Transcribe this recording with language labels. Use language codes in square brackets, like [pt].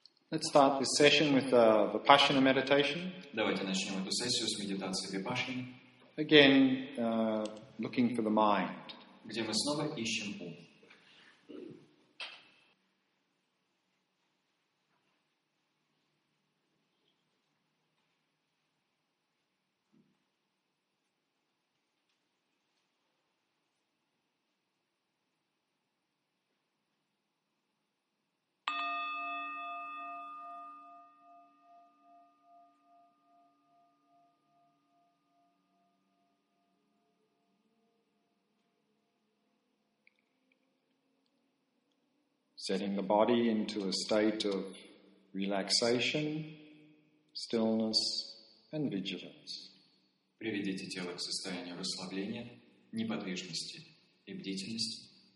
[en] Let's start this session with Vipassana meditation. [ru] Давайте начнем эту сессию с медитации Vipassana. [en] Again, looking for the mind. [ru] Где мы снова ищем ум. [en] Setting the body into a state of relaxation, stillness, and vigilance. [ru] Приведите тело к состоянию расслабления, неподвижности и бдительности.